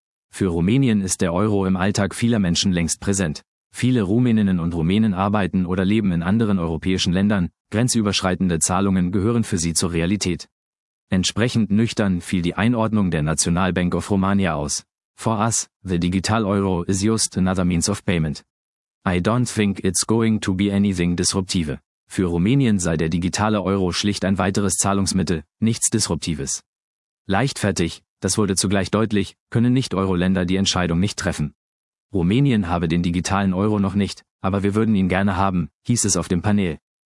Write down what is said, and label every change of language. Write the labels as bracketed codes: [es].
[de] Für Rumänien ist der Euro im Alltag vieler Menschen längst präsent. Viele Rumäninnen und Rumänen arbeiten oder leben in anderen europäischen Ländern, grenzüberschreitende Zahlungen gehören für sie zur Realität. Entsprechend nüchtern fiel die Einordnung der National Bank of Romania aus. [en] For us, the digital euro is just another means of payment. I don't think it's going to be anything disruptive. [de] Für Rumänien sei der digitale Euro schlicht ein weiteres Zahlungsmittel, nichts Disruptives. Leichtfertig, das wurde zugleich deutlich, können Nicht-Euro-Länder die Entscheidung nicht treffen. Rumänien habe den digitalen Euro noch nicht, aber wir würden ihn gerne haben, hieß es auf dem Panel.